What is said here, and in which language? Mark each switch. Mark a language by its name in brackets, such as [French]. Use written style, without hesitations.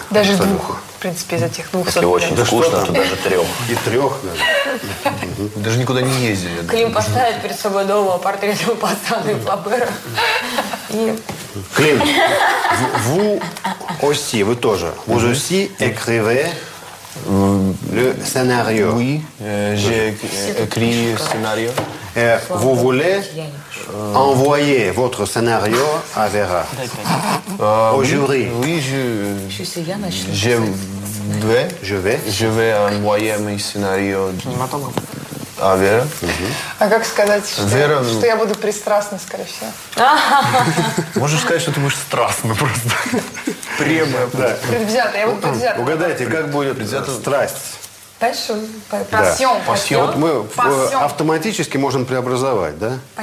[Russian] Даже двух. В принципе, из этих 200. Если очень скучно, то даже трех. И трех даже. Даже никуда не ездили. Клим поставит перед собой дома портрет его пацана и Флабера. [French] Клим, vous aussi, [Russian] вы тоже. [French] Vous aussi écrivez le scénario. Oui, j'ai écrit le scénario. Vous voulez envoyer votre scénario à Vera, au jury. Oui, je vais envoyer mon scénario à Vera. [Russian] А как сказать, что я буду пристрастна, скорее всего? Можешь сказать, что ты будешь страстна просто. Прямо. Предвзято, я буду предвзято. Угадайте, как будет предвзято страсть? [French] Пассион. Пассион. [Russian] Вот мы автоматически можем преобразовать, да?